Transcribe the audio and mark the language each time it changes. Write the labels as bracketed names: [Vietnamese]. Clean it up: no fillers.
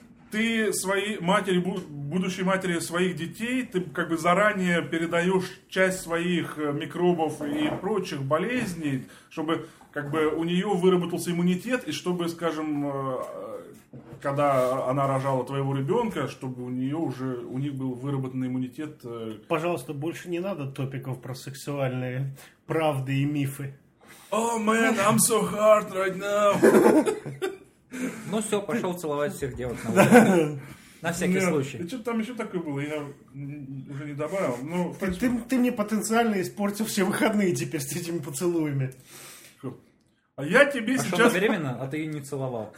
[Russian] Ты своей матери, будущей матери своих детей, ты как бы заранее передаешь часть своих микробов и прочих болезней, чтобы как бы у нее выработался иммунитет, и чтобы, скажем, когда она рожала твоего ребенка, чтобы у них был выработан иммунитет. Пожалуйста, больше не надо топиков про сексуальные правды и мифы. [English] Oh man, I'm so hard right now. [Russian] Ну все, пошел целовать всех девок. На всякий случай. Что-то там еще такое было, я уже не добавил. Но, ты мне потенциально испортил все выходные теперь с этими поцелуями. А я тебе а сейчас... А беременна, а ты ее не целовал.